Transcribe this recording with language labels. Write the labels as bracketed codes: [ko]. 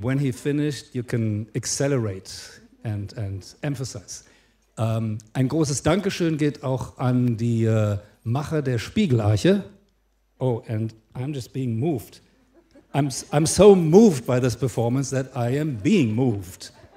[en] When he finished, you can accelerate and emphasize. [de] Ein großes Dankeschön geht auch an die Macher der Spiegelarche. [en] Oh, and I'm just being moved. I'm so moved by this performance that I am being moved.